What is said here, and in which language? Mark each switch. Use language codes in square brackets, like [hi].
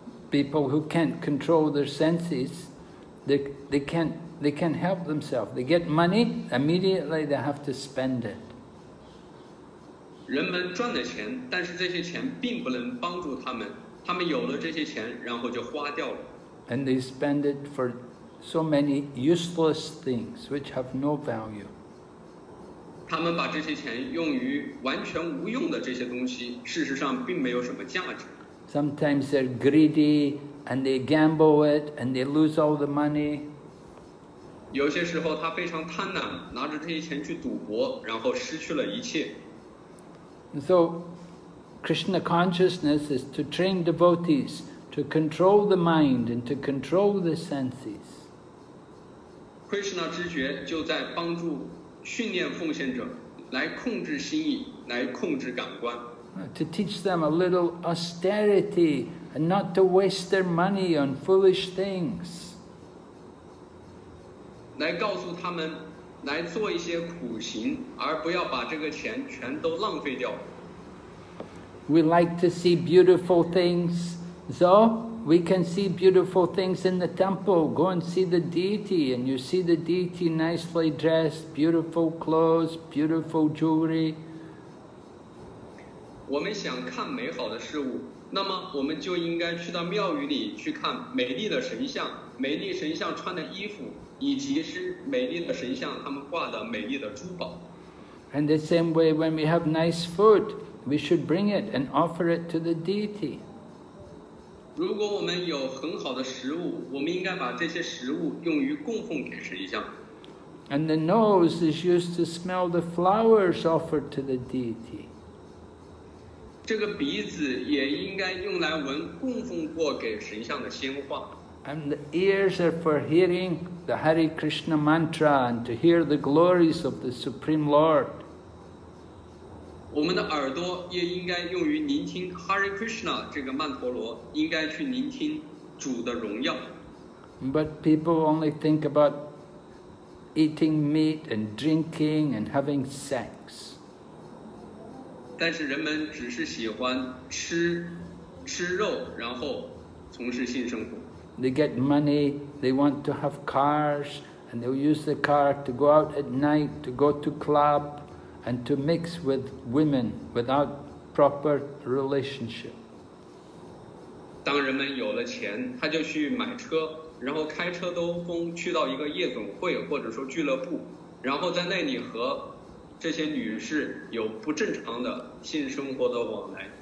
[en] People who can't control their senses, they can't help themselves. They get money, immediately they have to spend it. [zh] 人们赚的钱，但是这些钱并不能帮助他们，他们有了这些钱，然后就花掉了。 [en] And they spend it for so many useless things which have no value. [zh] 他们把这些钱用于完全无用的这些东西，事实上并没有什么价值。 [en] Sometimes they're greedy and they gamble it and they lose all the money. [zh] 有些时候他非常贪婪，拿着这些钱去赌博，然后失去了一切。 [en] And so Krishna consciousness is to train devotees to control the mind and to control the senses. [zh] Krishna 知觉就在帮助训练奉献者来控制心意，来控制感官。 [en] To teach them a little austerity and not to waste their money on foolish things. [zh] 来告诉他们来做一些苦行，而不要把这个钱全都浪费掉。 [en] We like to see beautiful things, so we can see beautiful things in the temple. Go and see the deity, and you see the deity nicely dressed, beautiful clothes, beautiful jewelry. [zh] 我们想看美好的事物，那么我们就应该去到庙宇里去看美丽的神像，美丽神像穿的衣服，以及是美丽的神像他们挂的美丽的珠宝。 [en] And the same way, when we have nice food, we should bring it and offer it to the deity. [zh] 如果我们有很好的食物，我们应该把这些食物用于供奉给神像。 [en] And the nose is used to smell the flowers offered to the deity. [zh] 这个鼻子也应该用来闻供奉过给神像的鲜花。 [en] And the ears are for hearing the Hare Krishna mantra and to hear the glories of the Supreme Lord. [zh] 我们的耳朵也应该用于聆听 Hare Krishna 这个曼陀罗，应该去聆听主的荣耀。 [en] But people only think about eating meat and drinking and having sex. [zh] 但是人们只是喜欢吃吃肉，然后从事性生活。 [en] They get money. They want to have cars, and they'll use the car to go out at night, to go to club, and to mix with women without proper relationship. [zh] 当人们有了钱，他就去买车，然后开车兜风去到一个夜总会或者说俱乐部，然后在那里和这些女士有不正常的性生活的往来。